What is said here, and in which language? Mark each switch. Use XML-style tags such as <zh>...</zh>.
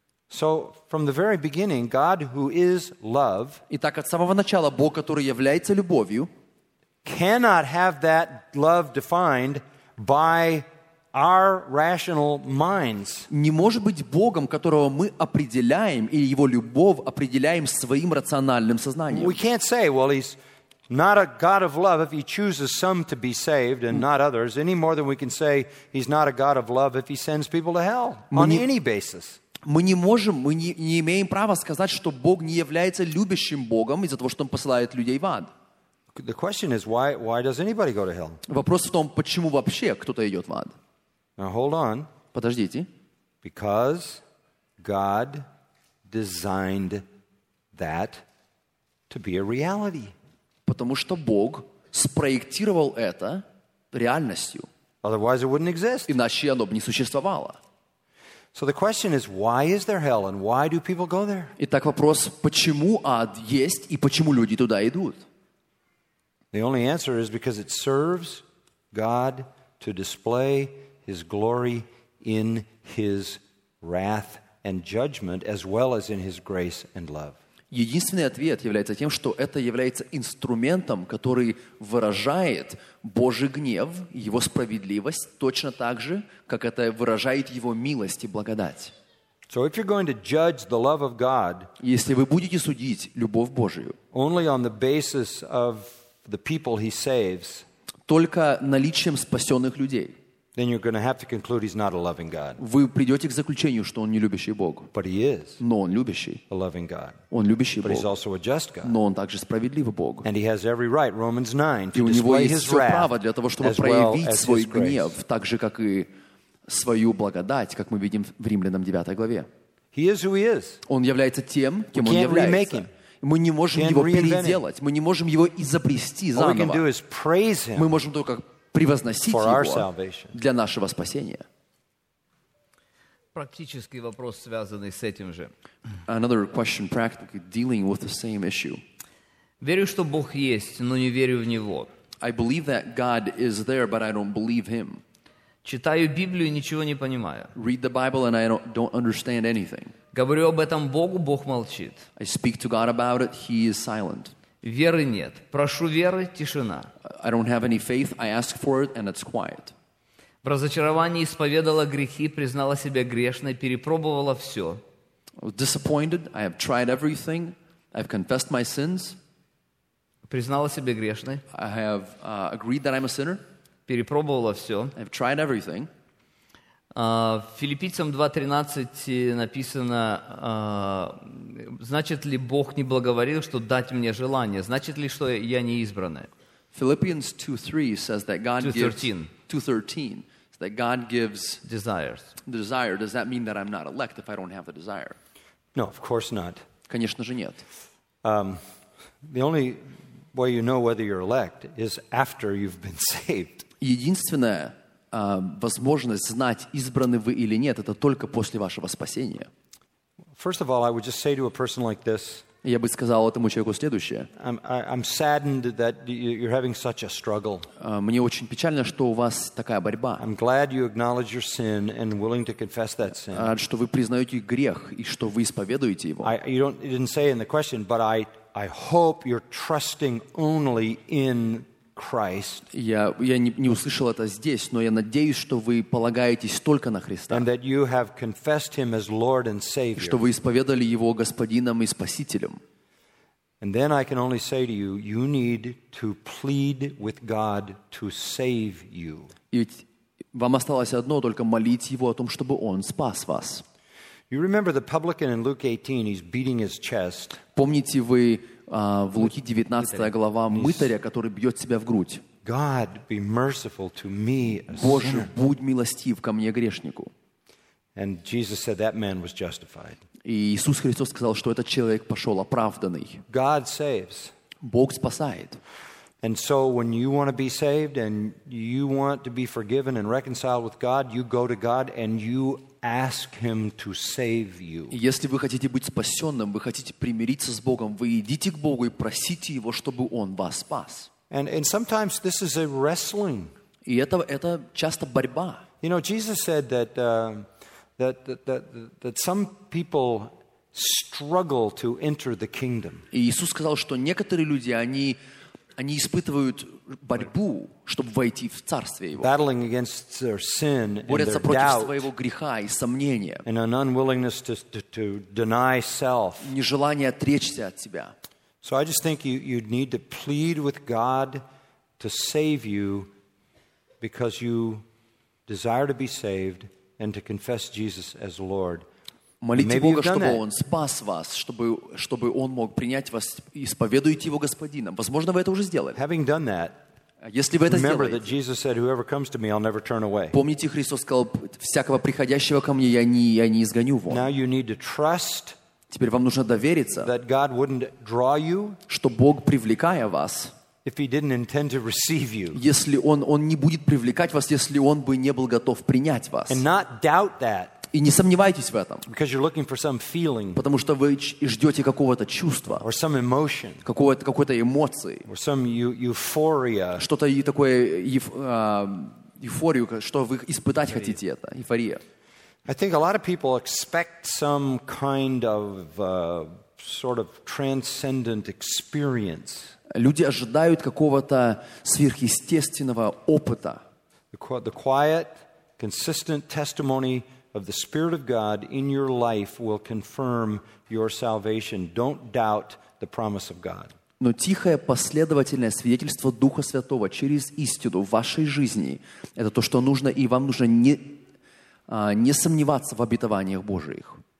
<en>So from the very beginning, God, who is love,</en> <ru>Итак, от самого начала Бог, который является любовью,</ru> <en>cannot have that love defined by our rational minds.</en> <ru>Не может быть Богом, которого мы определяем или его любовь определяем своим рациональным сознанием.</ru> <en>We can't say, well, he's not a God of love if he chooses some to be saved and not others, any more than we can say he's not a God of love if he sends people to hell on any basis.</en> <ru>Мы не можем, мы не имеем права сказать, что Бог не является любящим Богом из-за того, что он посылает людей в ад.</ru> <en>The question is, why does anybody go to hell?</en> <ru>Вопрос в том, почему вообще кто-то идет в ад?</ru> <en>Now hold on.</en> <ru>Подождите.</ru> <en>Because God designed that to be a reality.</en> <ru>Потому что Бог спроектировал это реальностью.</ru> <en>Otherwise it wouldn't exist.</en> <ru>Иначе оно бы не существовало.</ru> <en>So the question is, why is there hell and why do people go there?</en> <ru>Итак, вопрос, почему ад есть и почему люди туда идут?</ru> <en>The only answer is because it serves God to display His glory in His wrath and judgment, as well as in His grace and love.</en> <ru>Единственный ответ является тем, что это является инструментом, который выражает Божий гнев, Его справедливость, точно так же, как это выражает Его милость и благодать.</ru> <en>So if you're going to judge the love of God,</en> <ru>если вы будете судить любовь Божию,</ru> <en>only on the basis of the people he saves,</en> <ru>только наличием спасенных людей,</ru> <en>then you're going to have to conclude he's not a loving God.</en> <ru>Вы придете к заключению, что он не любящий Бог.</ru> <en>But he is.</en> <ru>Но он любящий.</ru> <en>A loving God.</en> <ru>Он любящий</ru> <en>But But he's also a just God.</en> <ru>Но он также справедливый Бог.</ru> <en>And he has every right, Romans 9,</en> <ru>и</ru> <en>to display his wrath,</en> <ru>право для того, чтобы проявить свой гнев, так же, как и свою благодать, как мы видим в Римлянам 9 главе.</ru> <en>He is who he is.</en> <ru>Он является тем, кем</ru> <en>we</en> <ru>он является. Мы не можем его переделать. Мы не можем его изобрести заново. Мы можем только превозносить его для нашего спасения. Практический вопрос, связанный с этим же.</ru> <en>Another question practically dealing with the same issue.</en> <ru>Верю, что Бог есть, но не верю в Него.</ru> <en>I believe that God is there, but I don't believe Him.</en> <ru>Читаю Библию и ничего не понимаю.</ru> <en>Read the Bible and I don't understand anything.</en> <ru>Говорю об этом Богу, Бог молчит.</ru> <en>I speak to God about it, He is silent.</en> <ru>Веры нет. Прошу веры, тишина.</ru> <en>I don't have any faith, I ask for it, and it's quiet.</en> <ru>В разочаровании исповедала грехи, признала себя грешной, перепробовала все.</ru> <en>Disappointed, I have tried everything, I've confessed my sins.</en> <ru>Признала себя грешной.</ru> <en>I have agreed that I'm a sinner.</en> <ru>Перепробовала все.</ru> <en>I've tried everything.</en> <ru>В Филиппийцам 2:13 написано, значит ли Бог не благоволил, что дать мне желание? Значит ли, что я не избранный?</ru> <en>Philippians 2:3 says that God 2:13. Gives 2:13 says that God gives desires. Desire. Does that mean that I'm not elect if I don't have the desire? No, of course not.</en> <ru>Конечно же нет.</ru> <en>The only way you know whether you're elect is after you've been saved.</en> <ru>Единственное возможность знать, избраны вы или нет, это только после вашего спасения.</ru> <en>First of all, I would just say to a person like this,</en> <ru>Я бы сказал этому человеку следующее.</ru> <en>I'm saddened that you're having such a struggle.</en> <ru>Мне очень печально, что у вас такая борьба.</ru> <en>I'm glad you acknowledge your sin and willing to confess that sin.</en> <ru>Рад, что вы признаете грех и что вы исповедуете его.</ru> <en>You didn't say in the question, but I hope you're trusting only in Christ.</en> <ru>Я не услышал это здесь, но я надеюсь, что вы полагаетесь только на Христа.</ru> <en>And that you have confessed him as Lord and Savior.</en> <ru>Что вы исповедали его Господином и Спасителем.</ru> <en>And then I can only say to you, you need to plead with God to save you.</en> <ru>Вам осталось одно, только молить его о том, чтобы он спас вас.</ru> <en>You remember the publican in Luke 18, he's beating his chest.</en> <ru>Помните вы в Луки 19 глава мытаря, который бьет себя в грудь.</ru> <en>God, be merciful to me, a sinner.</en> <ru>Боже, будь милостив ко мне, грешнику.</ru> <en>And Jesus said that man was justified.</en> <ru>И Иисус Христос сказал, что этот человек пошел оправданный.</ru> <en>God saves.</en> <ru>Бог спасает.</ru> <en>And so when you want to be saved and you want to be forgiven and reconciled with God, you go to God and you ask him to save you.</en> <ru>Если вы хотите быть спасенным, вы хотите примириться с Богом, вы идите к Богу и просите его, чтобы он вас спас.</ru> <en>And sometimes this is a wrestling.</en> <ru>И это часто борьба.</ru> <en>You know, Jesus said that some people struggle to enter the kingdom.</en> <ru>Иисус сказал, что некоторые люди, они испытывают борьбу, чтобы войти в царствие его.</ru> <en>Battling against their sin and</en> <ru>борются</ru> <en>their</en> <ru>против</ru> <en>doubt,</en> <ru>своего греха и сомнения.</ru> <en>And an unwillingness to deny self.</en> <ru>Нежелание отречься от себя.</ru> <en>So I just think you need to plead with God to save you because you desire to be saved and to confess Jesus as Lord.</en> <ru>Молите Бога, чтобы Он спас вас, чтобы Он мог принять вас и исповедуйте Его Господином. Возможно, вы это уже сделали.</ru> <en>Having done that,</en> <ru>если вы это</ru> <en>remember</en> <ru>сделаете,</ru> <en>that Jesus said, "Whoever comes to me, I'll never turn away."</en> <ru>Помните, Христос сказал, всякого приходящего ко мне я не изгоню вон.</ru> <en>Now you need to trust.</en> <ru>Теперь вам нужно довериться,</ru> <en>that God wouldn't draw you,</en> <ru>что Бог, привлекая вас,</ru> <en>if He didn't intend to receive you,</en> <ru>если он не будет привлекать вас, если Он бы не был готов принять вас,</ru> <en>and not doubt that.</en> <ru>И не сомневайтесь в этом.</ru> <en>Because you're looking for some feeling,</en> <ru>потому что вы ждете какого-то чувства.</ru> <en>Or some emotion,</en> <ru>какой-то эмоции.</ru> <en>Or some euphoria,</en> <ru>что-то такое, эйфорию, что вы испытать хотите это. Эйфория.</ru> <en>I think a lot of people expect some kind of sort of transcendent experience.</en> <ru>Люди ожидают какого-то сверхъестественного опыта.</ru> <en>The quiet, consistent testimony of the Spirit of God in your life will confirm your salvation. Don't doubt the promise of God.</en> <ru>Но тихое последовательное свидетельство Духа Святого через истину в вашей жизни — это то, что нужно, и вам нужно не сомневаться в обетованиях Божиих.</ru>